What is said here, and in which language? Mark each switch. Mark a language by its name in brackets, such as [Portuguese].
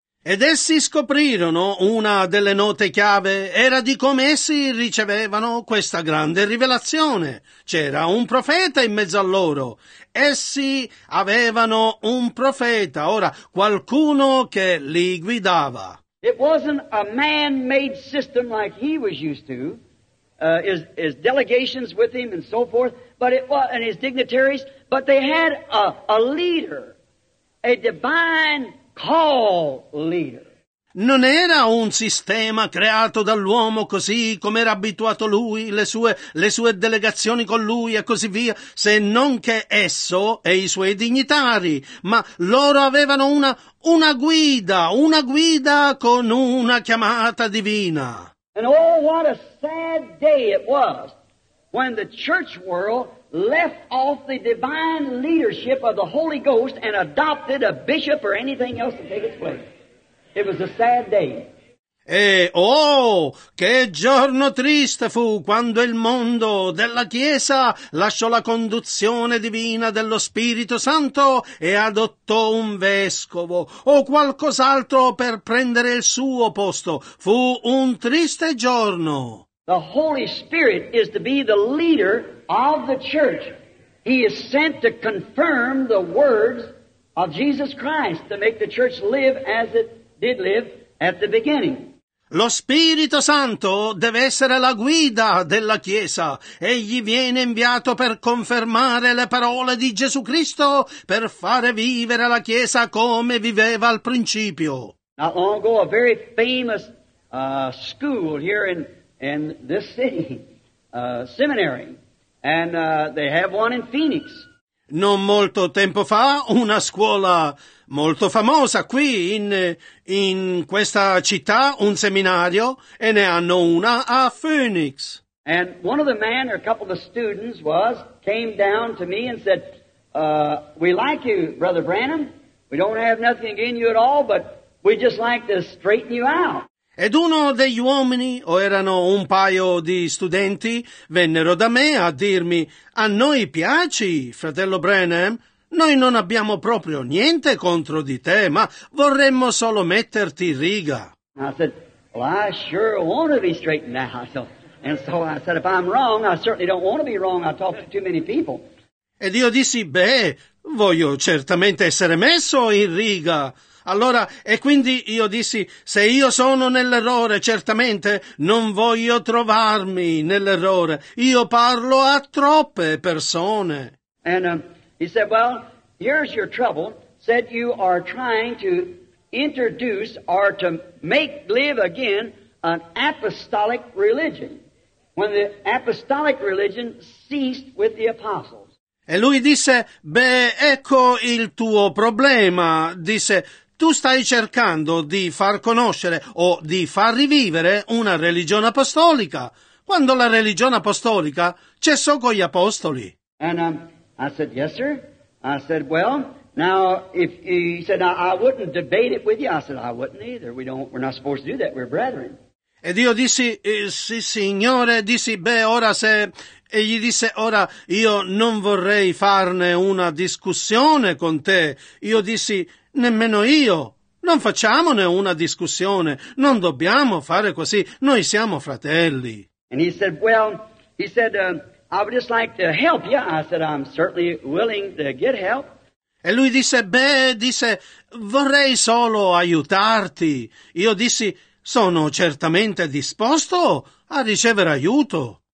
[Italian] Ed essi scoprirono una delle note chiave era di come essi ricevevano questa grande rivelazione. C'era un profeta in mezzo a loro. Essi avevano un profeta, ora qualcuno che li guidava. [English] It wasn't a man-made system like he was used to. His delegations with him and so forth, but it was, and his dignitaries, but they had a leader, a divine call leader. [Italian] Non era un sistema creato dall'uomo così come era abituato lui, le sue delegazioni con lui e così via, se non che esso e i suoi dignitari, ma loro avevano una guida con una chiamata divina. [English] And oh, what a sad day it was when the church world left off the divine leadership of the Holy Ghost and adopted a bishop or anything else to take its place. It was a sad day. [Italian] E oh, che giorno triste fu quando il mondo della Chiesa lasciò la conduzione divina dello Spirito Santo e adottò un vescovo o qualcos'altro per prendere il suo posto. Fu un triste giorno. [English] The Holy Spirit is to be the leader of the church. He is sent to confirm the words of Jesus Christ to make the church live as it did live at the beginning. [Italian] Lo Spirito Santo deve essere la guida della Chiesa. Egli viene inviato per confermare le parole di Gesù Cristo, per fare vivere la Chiesa come viveva al principio. [English] Not long ago, a very famous school here in this city, seminary, And they have one in Phoenix. [Italian] Non molto tempo fa, una scuola molto famosa qui in questa città, un seminario, e ne hanno una a Phoenix. [English] And one of the men, or a couple of the students, came down to me and said, we like you, Brother Branham. We don't have nothing against you at all, but we just like to straighten you out. [Italian] Ed uno degli uomini, o erano un paio di studenti, vennero da me a dirmi, a noi piaci, fratello Branham, noi non abbiamo proprio niente contro di te, ma vorremmo solo metterti in riga. [English] I said, well, I sure want to be straightened out. So I said, if I'm wrong, I certainly don't want to be wrong, I talk to too many people. [Italian] Ed io dissi, voglio certamente essere messo in riga. Allora, e quindi io dissi, se io sono nell'errore, certamente non voglio trovarmi nell'errore. Io parlo a troppe persone. [English] And he said, well, here's your trouble. Said you are trying to introduce or to make live again an apostolic religion. When the apostolic religion ceased with the apostles. [Italian] E lui disse, ecco il tuo problema. Disse, tu stai cercando di far conoscere o di far rivivere una religione apostolica, quando la religione apostolica cessò con gli apostoli. [English] And I said, yes, sir. I said, well, now, if he said, I wouldn't debate it with you. I said, I wouldn't either. We're not supposed to do that. We're brethren. [Italian] Ed io dissi, sì, signore, dissi, ora se... E gli disse, ora, io non vorrei farne una discussione con te. Io dissi, nemmeno io. Non facciamone una discussione. Non dobbiamo fare così. Noi siamo fratelli. [English] And he said, well, he said, I would just like to help you. I said, I'm certainly willing to get help. [Italian] E lui disse, vorrei solo aiutarti. Io dissi, sono certamente disposto a ricevere aiuto.